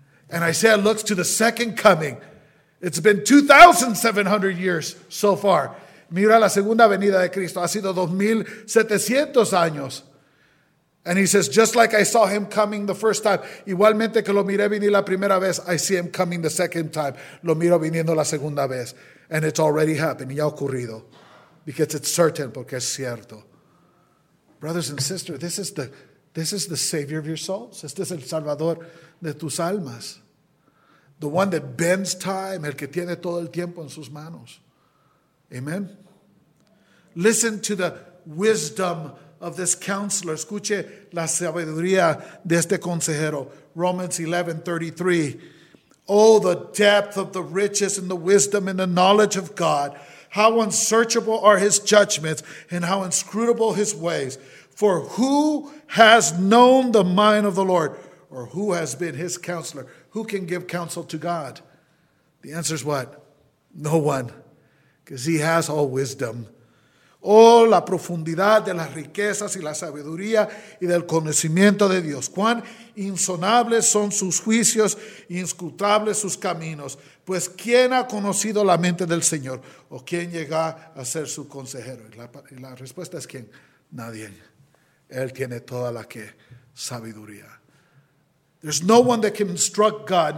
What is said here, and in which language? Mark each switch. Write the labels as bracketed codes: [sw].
[en] And Isaiah looks to the second coming. It's been 2,700 years so far. [es] Mira la segunda venida de Cristo. Ha sido 2,700 años. [en] And he says, just like I saw him coming the first time, [es] igualmente que lo miré venir la primera vez, [en] I see him coming the second time. [es] Lo miro viniendo la segunda vez. [en] And it's already happened. [es] Ya ocurrido. [en] Because it's certain, [es] porque es cierto. [en] Brothers and sisters, this is the Savior of your souls. [es] Este es el Salvador de tus almas. [en] The one that bends time, [es] el que tiene todo el tiempo en sus manos. [en] Amen. Listen to the wisdom of this counselor. [es] Escuche la sabiduría de este consejero. [en] Romans 11:33. Oh, the depth of the riches and the wisdom and the knowledge of God. How unsearchable are his judgments and how inscrutable his ways. For who has known the mind of the Lord? Or who has been his counselor? Who can give counsel to God? The answer is what? No one. Because he has all wisdom. [es] Oh, la profundidad de las riquezas y la sabiduría y del conocimiento de Dios. Cuán insondables son sus juicios, inescrutables sus caminos. Pues, ¿quién ha conocido la mente del Señor? ¿O quién llega a ser su consejero? Y la respuesta es, ¿quién? Nadie. Él tiene toda la que sabiduría. [en] There's no one that can instruct God.